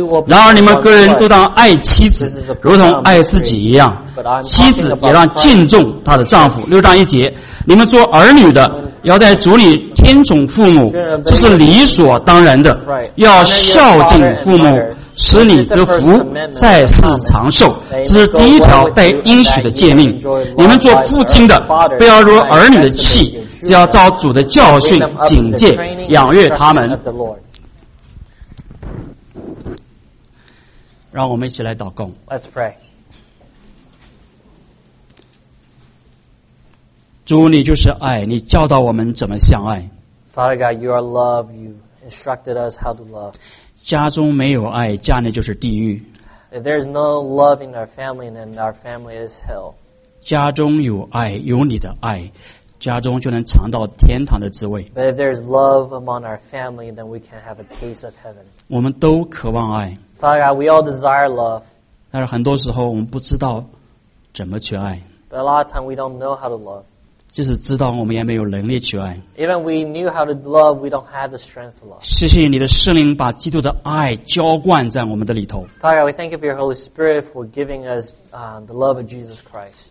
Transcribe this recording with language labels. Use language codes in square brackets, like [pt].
[zh] 然而你们个人都当爱妻子, 如同爱自己一样, 妻子也当敬重她的丈夫, 6章1节, 你们做儿女的, 要在主里听从父母, 这是理所当然的, 要孝敬父母, 使你的福在世长寿, 这是第一条带应许的诫命, 你们做父亲的, 不要如儿女的气, 只要照主的教训, 警戒, 养育他们。让我们一起来祷告。 [en] Let's pray. [zh] 主你就是爱, 你教导我们怎么相爱。 [en] Father God, you are love, you instructed us how to love. [zh] 家中没有爱, 家里就是地狱。 [en] If there is no love in our family, then our family is hell. [zh] 家中有爱, 有你的爱。家中就能尝到天堂的滋味。 [en] But if there is love among our family, then we can have a taste of heaven. [zh] 我们都渴望爱。 [en] Father God, we all desire love. [zh] 但是很多时候我们不知道怎么去爱。 [en] But a lot of times we don't know how to love. [zh] 就是知道我们也没有能力去爱。 [en] Even we knew how to love, we don't have the strength to love. [zh] 谢谢你的圣灵把基督的爱浇灌在我们的里头。 [en] Father God, we thank you for your Holy Spirit for giving us the love of Jesus Christ.